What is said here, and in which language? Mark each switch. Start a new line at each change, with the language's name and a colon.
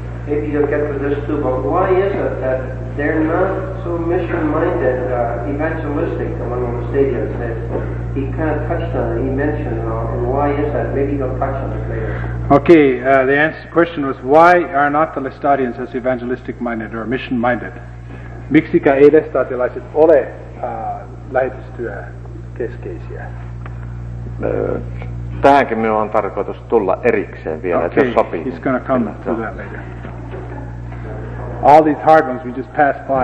English: Maybe you'll get to this too, but why is it that they're not so mission-minded, evangelistic among the stadiums? He kind of touched on it, he mentioned it all, and why is that? Maybe you'll touch on it later. Okay, the answer question was, why are not the Lestadians as evangelistic-minded or mission-minded?
Finnish: Miksikä ei lestadialaiset ole lähetystyö keskeisiä? Tähänkin minun on tarkoitus tulla erikseen vielä, okay, että jos sopii.
English: Okay, he's going to come to that later. All these hard ones we just passed by.